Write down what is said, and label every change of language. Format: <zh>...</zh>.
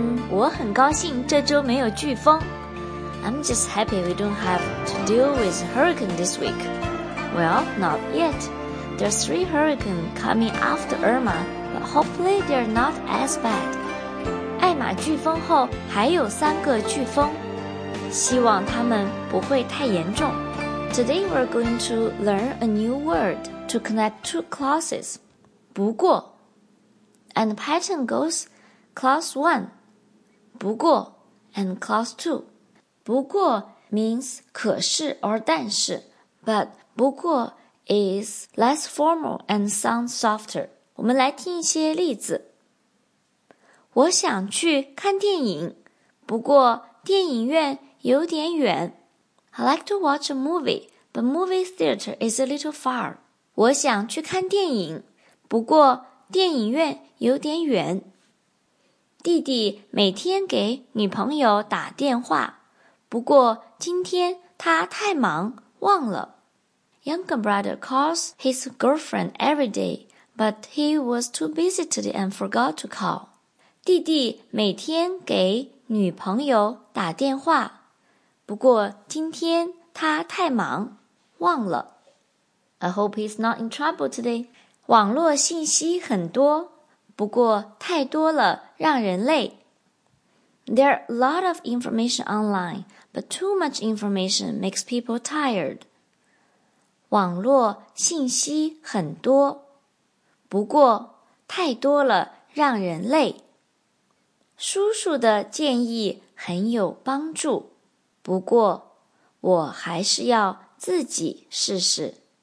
<zh>我很高兴这周没有飓风。</zh> <en>I'm just happy we don't have to deal with a hurricane this week. Well, not yet. There are 3 hurricanes coming after Irma, but hopefully they are not as bad.</en> <zh>艾玛飓风后还有三个飓风，希望它们不会太严重。</zh> <en>Today we are going to learn a new word to connect 2 clauses. 不过 And the pattern goes clause 1, 不过 and clause 2. 不过 means 可是 or 但是 but 不过is less formal and sounds softer.</en> <zh>我们来听一些例子。我想去看电影，不过电影院有点远。</zh> <en>I like to watch a movie, but movie theater is a little far.</en> <zh>我想去看电影，不过电影院有点远。弟弟每天给女朋友打电话，不过今天他太忙，忘了。</zh> <en>Younger brother calls his girlfriend every day, but he was too busy today and forgot to call.</en> <zh>弟弟每天给女朋友打电话，不过今天他太忙，忘了。</zh> <en>I hope he's not in trouble today.</en> <zh>网络信息很多，不过太多了让人累。</zh> <en>There are a lot of information online, but too much information makes people tired.</en> <zh>网络信息很多，不过太多了让人累。叔叔的建议很有帮助，不过我还是要自己试试。</zh>